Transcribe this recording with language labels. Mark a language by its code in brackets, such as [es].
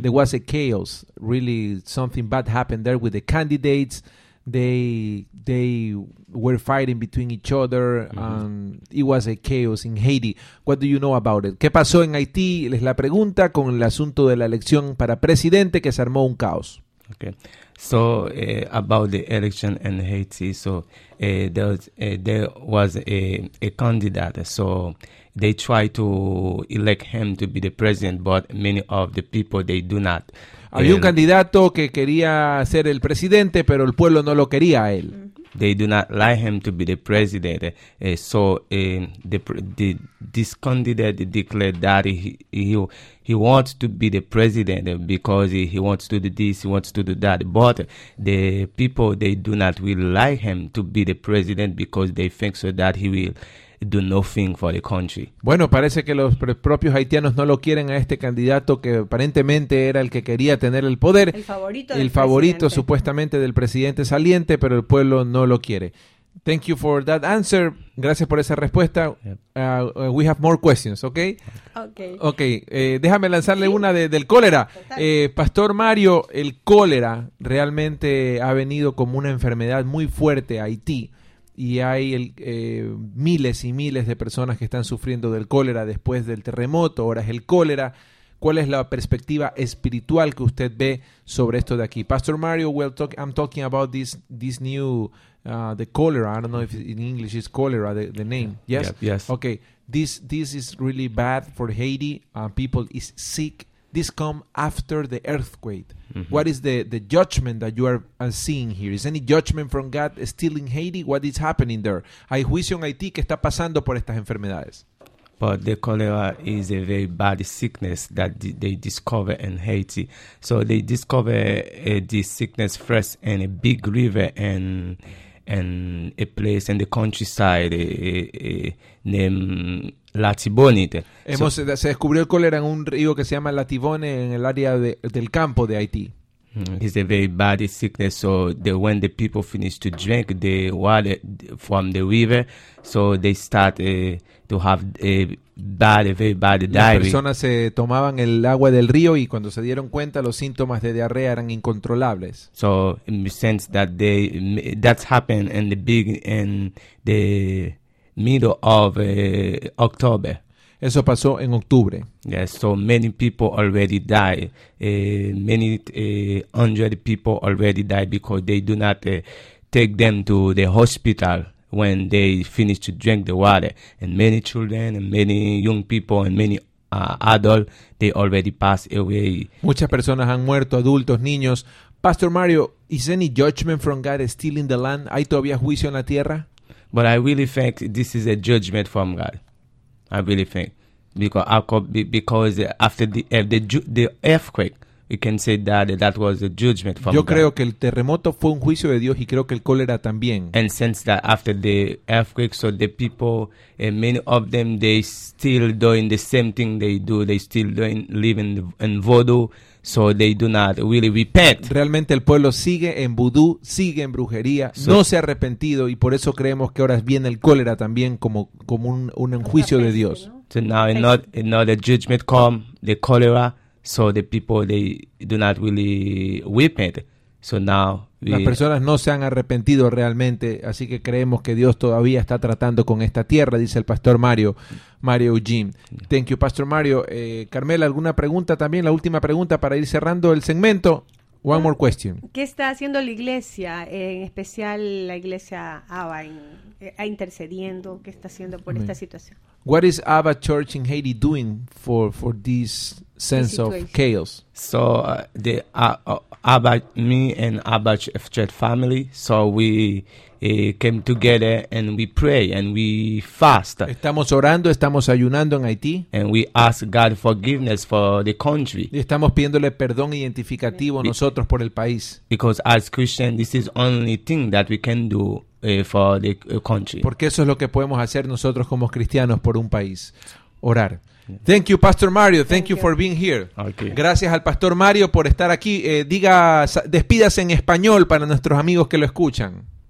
[en] There was a chaos. Really, something bad happened there with the candidates. They were fighting between each other, and it was a chaos in Haiti. What do you know about it? [es] ¿Qué pasó en Haití? Es la pregunta con el asunto de la elección para presidente que se armó un caos. [en] Okay, so about the election in Haiti, so there was a candidate, so they tried to elect him to be the president, but many of the people, they do not. [es] Había un candidato que quería ser el presidente, pero el pueblo no lo quería a él. [en] They do not like him to be the president. So this candidate declared that he wants to be the president because he wants to do this, he wants to do that. But the people, they do not really like him to be the president because they think so that he will do nothing for the country. [es] Bueno, parece que los propios haitianos no lo quieren a este candidato que aparentemente era el que quería tener el poder. El favorito supuestamente del presidente saliente, pero el pueblo no lo quiere. [en] Thank you for that answer. [es] Gracias por esa respuesta. [en] Yep. We have more questions, okay? Okay. [es] Déjame lanzarle una del cólera. Pastor Mario, el cólera realmente ha venido como una enfermedad muy fuerte a Haití. Y hay miles y miles de personas que están sufriendo del cólera después del terremoto. Ahora es el cólera. ¿Cuál es la perspectiva espiritual que usted ve sobre esto de aquí? [en] Pastor Mario, I'm talking about this new, the cholera. I don't know if in English is cholera, the name. Yes? Yes. Okay. This is really bad for Haiti. People is sick. This come after the earthquake. Mm-hmm. What is the judgment that you are seeing here? Is any judgment from God still in Haiti? What is happening there? [es] Hay juicio en Haití que está pasando por estas enfermedades. [en] But the cholera is a very bad sickness that they discover in Haiti. So they discover this sickness first in a big river and a place in the countryside named Latibonite. [es] Se descubrió el cólera en un río que se llama Latibonite en el área del campo de Haití. [en] It's a very bad sickness, so when the people finish to drink the water from the river, so they start to have a bad, a very bad diarrhea. [es] Las personas se tomaban el agua del río y cuando se dieron cuenta los síntomas de diarrea eran incontrolables. [en] So in the sense that that's happened in the big in the middle of October. [es] Eso pasó en octubre. [en] Yes, so many people already died. Many hundred people already died because they do not take them to the hospital when they finish to drink the water. And many children and many young people and many adults, they already passed away. [es] Muchas personas han muerto, adultos, niños. [en] Pastor Mario, is any judgment from God still in the land? [es] ¿Hay todavía juicio en la tierra? [en] But I really think this is a judgment from God. I really think because after the earthquake, we can say that that was a judgment from [es] God. Yo creo que el terremoto fue un juicio de Dios y creo que el cólera también. [en] And since that after the earthquake, so the people, many of them, they still doing the same thing they do. They still doing living in voodoo, so they do not really repent. [es] Realmente el pueblo sigue en vudú, sigue en brujería, so, no se ha arrepentido y por eso creemos que ahora viene el cólera también como un juicio de Dios. [en] So now another judgment come, the cholera, so the people, they do not really repent. So now [es] las personas no se han arrepentido realmente, así que creemos que Dios todavía está tratando con esta tierra, dice el pastor Mario Eugene. [en] Thank you, Pastor Mario. [es] Carmela, ¿alguna pregunta también? La última pregunta para ir cerrando el segmento. [en] One more question. [es] ¿Qué está haciendo la iglesia, en especial la iglesia Abba, intercediendo? ¿Qué está haciendo por esta situación? [en] What is Abba Church in Haiti doing for this sense of chaos? So Abba Church family, so we came together and we pray and we fast. [es] Estamos orando, estamos ayunando en Haití. [en] And we ask God forgiveness for the country. [es] Y estamos pidiéndole perdón identificativo nosotros por el país. [en] Because as Christian, this is only thing that we can do. For the country. [es] Porque eso es lo que podemos hacer nosotros como cristianos por un país, orar. [en] Thank you, Pastor Mario. Thank you for being here. Okay. [es] Gracias al Pastor Mario por estar aquí. Despídase en español para nuestros amigos que lo escuchan.